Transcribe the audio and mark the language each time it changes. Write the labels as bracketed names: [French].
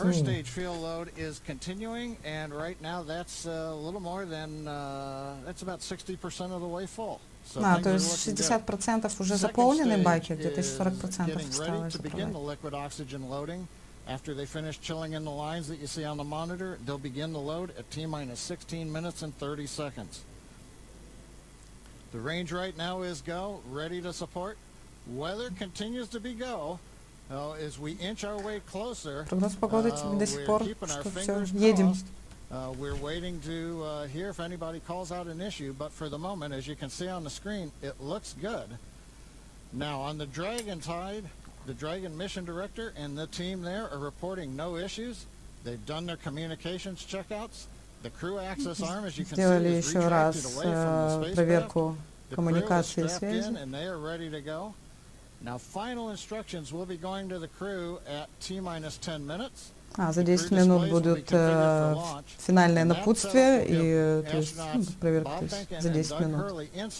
[English] first stage fuel load is continuing, and right now that's a little more than that's about 60% of the way full. [Russian] So то есть 60% уже заполнены баки, где-то 40% осталось. [English] Begin the liquid oxygen loading. After they finish chilling in the lines that you see on the monitor, they'll begin the load at T minus 16 minutes and 30 seconds. The range right now is go, ready to support. Weather continues to be go. As we inch our way closer, we're waiting to hear if anybody calls out an issue, but for the moment, as you can see on the screen, it looks good. Now, on the Dragon side, the Dragon mission director and the team there are reporting no issues. They've done their communications checkouts. The crew access arm, as you can see, is retracted away from the spacecraft. The crew is strapped in, and they are ready to go. Now final instructions will be going to the crew at T-minus 10 minutes. [Russian] За 10 минут будут финальное напутствие, и то есть, проверка, то есть, за 10 минут.